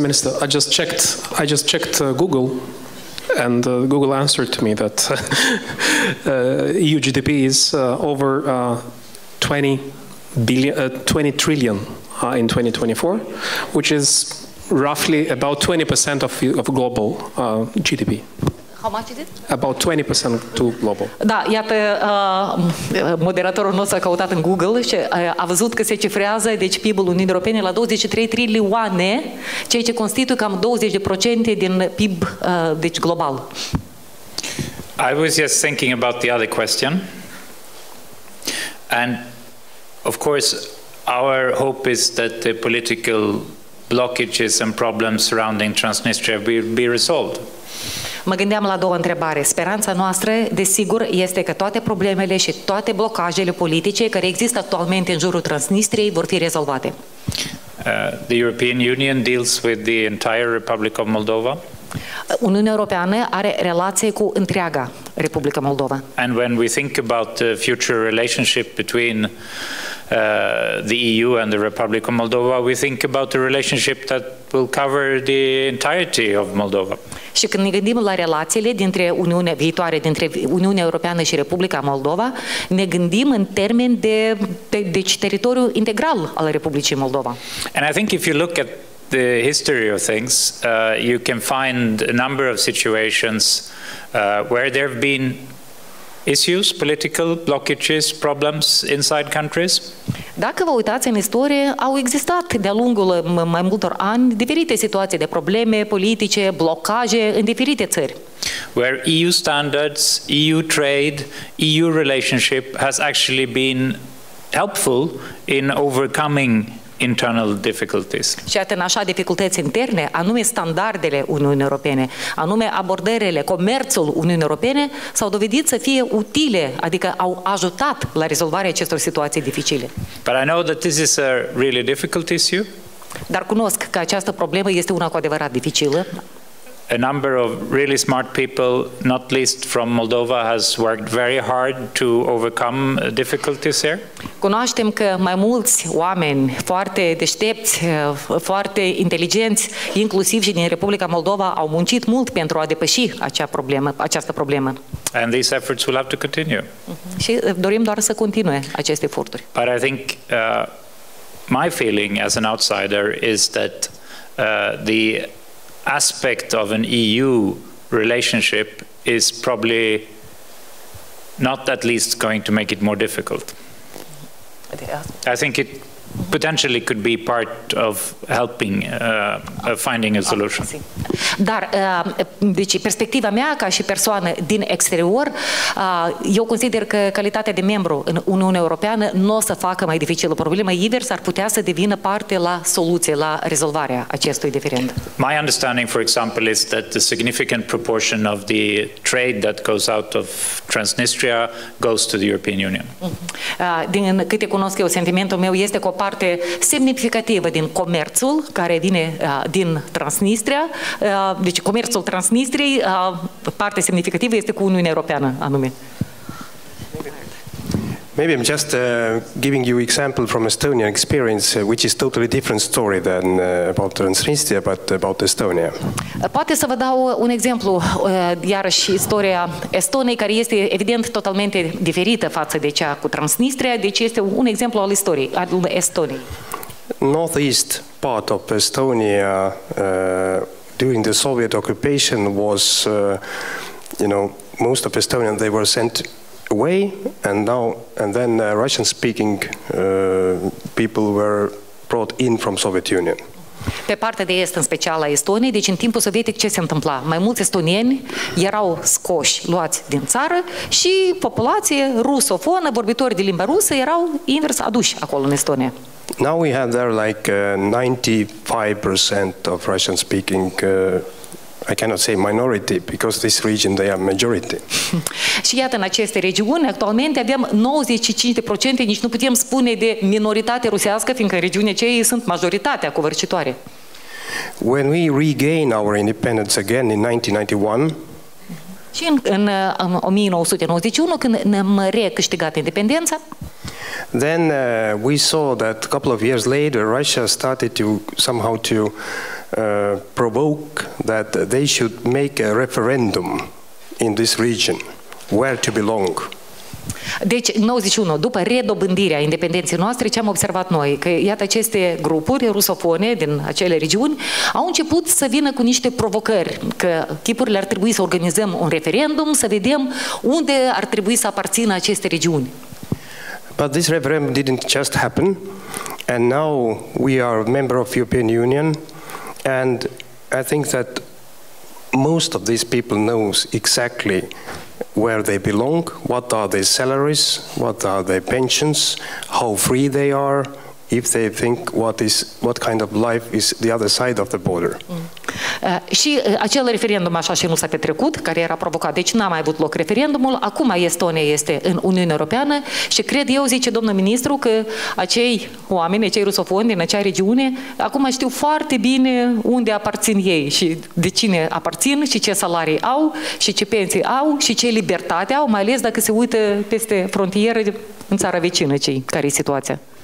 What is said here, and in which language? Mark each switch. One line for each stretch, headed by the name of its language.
English: Minister, I just checked Google, and Google answered to me that EU GDP is over 20 trillion in 2024, which is roughly about 20% of global GDP. How much is it? About 20% to global.
Romanian: Da, iată, moderatorul nostru a căutat în Google și a văzut că se cifrează, deci PIB-ul Uniunii Europene la 23 trilioane, ceea ce constituie cam 20% din PIB, deci global.
English: I was just thinking about the other question. And, of course, our hope is that the political blockages and problems surrounding Transnistria will be resolved.
Romanian: Mă gândeam la două întrebare. Speranța noastră, desigur, este că toate problemele și toate blocajele politice care există actualmente în jurul Transnistriei vor fi rezolvate.
English: The European Union deals with the entire Republic of Moldova.
Romanian: Uniunea Europeană are relație cu întreaga Republica Moldova.
English: And when we think about the future relationship between the EU and the Republic of Moldova, we think about the relationship that will cover the entirety of Moldova.
Romanian: Și când ne gândim la relațiile dintre Uniunea viitoare, dintre Uniunea Europeană și Republica Moldova, ne gândim în termen de teritoriu integral al Republicii Moldova.
English: And I think if you look at the history of things, you can find a number of situations where there have been issues, political blockages, problems inside countries.
Romanian: Dacă vă uitați în istorie, au existat de-a lungul mai multor ani diferite situații de probleme politice, blocaje în diferite țări.
English: Where EU standards, EU trade, EU relationship has actually been helpful in overcoming internal difficulties.
Romanian: Și atât așa dificultăți interne, anume standardele Uniunii Europene, anume abordările, comerțul Uniunii Europene s-au dovedit să fie utile, adică au ajutat la rezolvarea acestor situații dificile.
English: But I know that this is a really difficult issue.
Romanian: Dar cunosc că această problemă este una cu adevărat dificilă.
English: A number of really smart people, not least from Moldova, has worked very hard to overcome difficulties here.
Romanian: Cunoaștem că mai mulți oameni foarte deștepți, foarte inteligenți, inclusiv și din Republica Moldova, au muncit mult pentru a depăși această problemă.
English: And these efforts will have to continue.
Romanian: Și dorim doar să continue aceste eforturi.
English: But I think my feeling as an outsider is that the aspect of an EU relationship is probably not at least going to make it more difficult. I think it potentially could be part of helping finding a solution.
Romanian: Dar deci perspectiva mea ca și persoană din exterior, eu consider că calitatea de membru în Uniunea Europeană nu o să facă mai dificilă problema, invers ar putea să devină parte la soluție, la rezolvarea acestui diferend.
English: My understanding, for example, is that the significant proportion of the trade that goes out of Transnistria goes to the European Union.
Romanian: Din câte cunosc eu, sentimentul meu este că o parte semnificativă din comerțul care vine din Transnistria, deci comerțul Transnistriei, parte semnificativă este cu Uniunea Europeană, anume.
English: Maybe I'm just giving you example from Estonian experience, which is totally different story than about Transnistria, but about Estonia.
Romanian: Poate să vă dau un exemplu, iarăși istoria Estoniei, care este evident totalmente diferită față de cea cu Transnistria, deci este un exemplu al istoriei, al Estoniei.
English: Northeast part of Estonia during the Soviet occupation was, you know, most of Estonians, they were sent away, and now and then Russian speaking people were brought in from Soviet Union.
Romanian: Pe partea de est, în special a Estoniei, deci în timpul sovietic ce se întâmpla? Mai mulți estonieni erau scoși, luați din țară și populație rusofonă, vorbitori de limba rusă, erau invers aduși acolo în Estonia.
English: Now we have there like 95% of Russian speaking I cannot say minority because this region they are majority.
Romanian: Și iată, în aceste regiuni actualmente avem 95%, nici nu putem spune de minoritate rusească, fiindcă în regiunea aceea sunt majoritatea covârșitoare.
English: When we regain our independence again in 1991.
Romanian: Și în 1991 când ne-am recâștigat independența,
English: then we saw that a couple of years later Russia started to somehow to provoke that they should make a referendum in this region where to belong.
Romanian: Deci, 91, după redobândirea independenței noastre, ce am observat noi? Că, iată, aceste grupuri rusofone din acele regiuni au început să vină cu niște provocări, că chipurile ar trebui să organizăm un referendum, să vedem unde ar trebui să aparțină aceste regiuni.
English: But this referendum didn't just happen, and now we are a member of European Union, and I think that most of these people knows exactly where they belong, what are their salaries, what are their pensions, how free they are, if they think what kind of life is the other side of the border.
Romanian: Și acel referendum așa și nu s-a petrecut, care era provocat, deci n-a mai avut loc referendumul, acum Estonia este în Uniunea Europeană și cred eu, zice domnul ministru, că acei oameni, acei rusofoni din acea regiune, acum știu foarte bine unde aparțin ei și de cine aparțin și ce salarii au și ce pensii au și ce libertate au, mai ales dacă se uită peste frontieră în țara vecină cei care e situația.